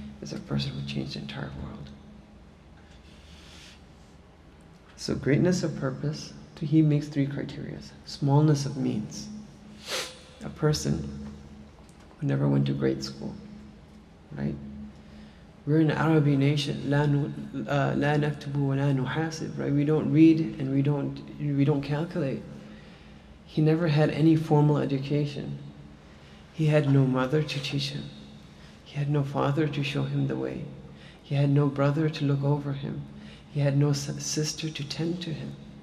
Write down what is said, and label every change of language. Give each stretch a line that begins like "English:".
English: As a person who changed the entire world. So greatness of purpose, he makes three criteria. Smallness of means. A person never went to grade school, right? We're an Arabi nation.
Arabic: لَا نَكْتُبُ وَلَا نُحَاسِبُ,
English: right? We don't read and we don't calculate. He never had any formal education. He had no mother to teach him. He had no father to show him the way. He had no brother to look over him. He had no sister to tend to him.